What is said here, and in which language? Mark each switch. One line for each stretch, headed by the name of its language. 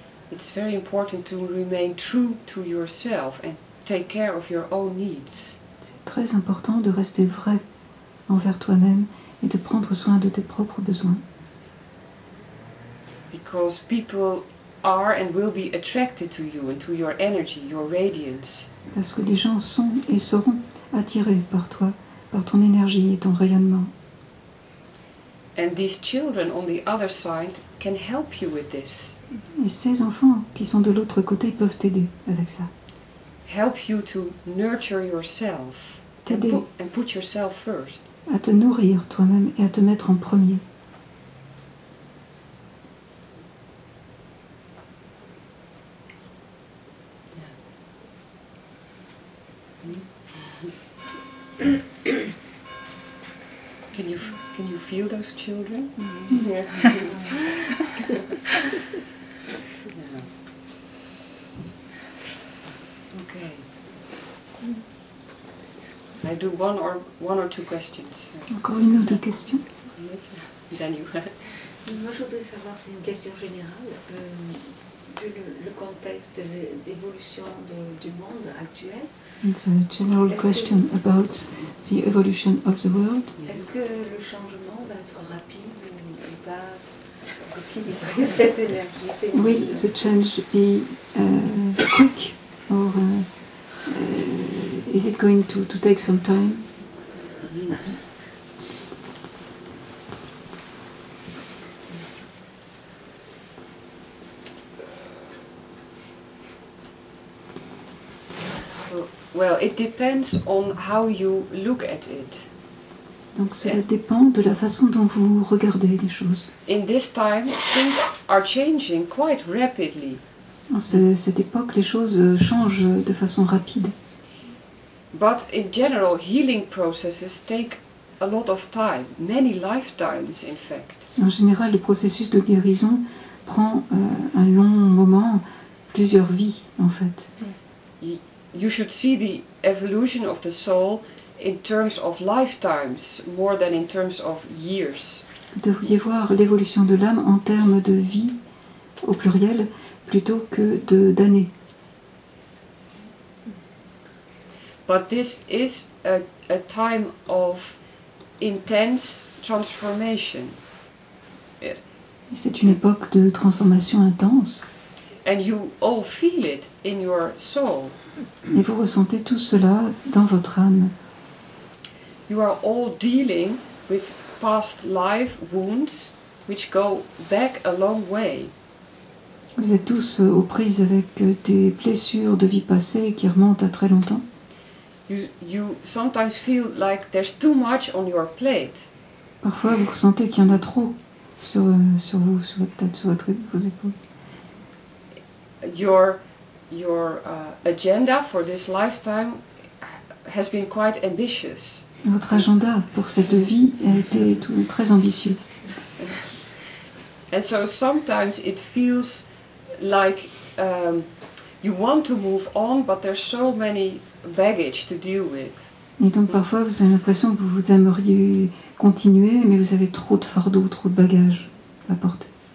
English: it's very important to remain true to yourself and take care of your own needs.
French: C'est très important de rester vrai envers toi-même et de prendre soin de tes propres besoins.
English: Because people are and will be attracted to you and to your energy, your radiance.
French: Parce que les gens sont et seront attirés par toi, par ton énergie et ton rayonnement.
English: And these children on the other side can help you with this.
French: Et ces enfants qui sont de l'autre côté peuvent t'aider avec ça.
English: Help you to nurture yourself.
French: T'aider
English: and put yourself first.
French: À te nourrir toi-même et à te mettre en premier.
English: Can you feel those children? Yeah. Okay. I do one or two questions.
French: Encore une ou deux questions?
English: Yes. Then you.
French: Moi, je voudrais savoir si une question générale vu le contexte de l'évolution du monde actuel.
English: It's a general question about the evolution of the world.
French: Est-ce que le changement va être rapide ou pas? Cette énergie.
English: Will the change be quick or is it going to take some time? Well, it depends on how you look at it.
French: Donc cela dépend de la façon dont vous regardez les choses.
English: In this time, things are changing quite rapidly.
French: En cette époque, les choses changent de façon rapide.
English: But in general, healing processes take a lot of time, many lifetimes in fact.
French: En général, le processus de guérison prend un long moment, plusieurs vies en fait.
English: You should see the evolution of the soul in terms of lifetimes more than in terms of years.
French: Vous devriez voir l'évolution de l'âme en termes de vie au pluriel plutôt que d'années.
English: But this is a time of intense transformation.
French: C'est une époque de transformation intense.
English: And you all feel it in your soul.
French: Et vous ressentez tout cela dans votre âme.
English: You are all dealing with past life wounds which go back a long way.
French: Vous êtes tous aux prises avec des blessures de vie passée qui remontent à très longtemps.
English: You sometimes feel like there's too much on your plate.
French: Parfois vous ressentez qu'il y en a trop sur vous, sur votre tête, sur vos épaules.
English: Your agenda for this lifetime has been quite ambitious.
French: Votre agenda pour cette vie a été très ambitieux.
English: And so sometimes it feels like you want to move on, but there's so many baggage to deal with.
French: Et donc parfois vous avez l'impression que vous aimeriez continuer, mais vous avez trop de fardeaux, trop de bagages à porter.